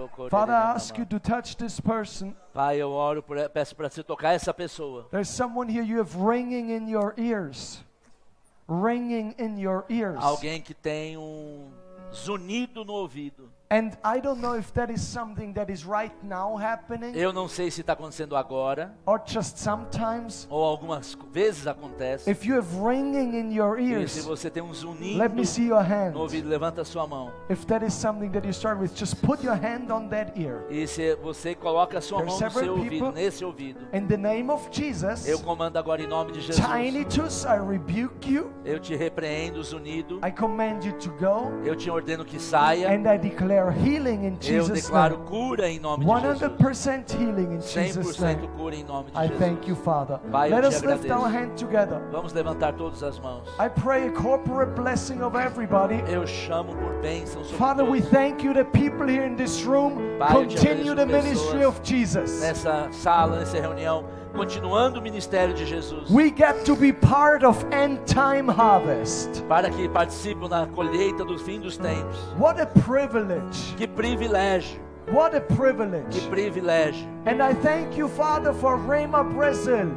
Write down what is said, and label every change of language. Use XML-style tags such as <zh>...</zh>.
<en>Father, I ask you to touch this person.</en> <pt>Pai, eu oro por, peço para você tocar essa pessoa.</pt> <en>There's someone here you have ringing in your ears. Ringing in your ears.</en> <pt>Alguém que tem um zunido no ouvido.</pt> <en>And I don't know if that is something that is right now happening.</en> <pt>Eu não sei se está acontecendo agora.</pt> <en>Or just sometimes.</en> <pt>Ou algumas vezes acontece.</pt> <en>If you have ringing in your ears.</en> <pt>E se você tem um zunindo.</pt> <en>Let me see your hand.</en> <pt>No ouvido, levanta sua mão.</pt> <en>If that is something that you start with, just put your hand on that ear.</en> <pt>E se você coloca a sua mão no seu ouvido, nesse ouvido.</pt> <en>In the name of Jesus.</en> <pt>Eu comando agora em nome de Jesus.</pt> <en>Tinnitus, I rebuke you.</en> <pt>Eu te repreendo, zunido.</pt> <en>I command you to go.</en> <pt>Eu te ordeno que saia.</pt> <en>And I declare healing in Jesus'</en> <pt>name. Eu declaro cura em nome de Jesus.</pt> <en>100% healing in Jesus' name.</en> <pt>100% cura em nome de Jesus.</pt> <en>I thank you, Father.</en> <pt>Pai,</pt> <en>let us lift our hand together.</en> <pt>Vamos levantar todas as mãos.</pt> <en>I pray a corporate blessing of everybody.</en> <pt>Eu chamo por bênção sobre todos.</pt> <en>Father, we thank you that people here in this room continue the ministry of Jesus.</en> <pt>Nessa sala, nessa reunião, continuando o ministério de Jesus.</pt> <en>We get to be part of end time harvest.</en> <pt>Para que participem na colheita do fim dos tempos.</pt> <en>What a privilege.</en> <pt>Que privilégio.</pt> <en>What a privilege.</en> <pt>Que privilégio.</pt> <en>And I thank you, Father, for Rema Brazil.</en>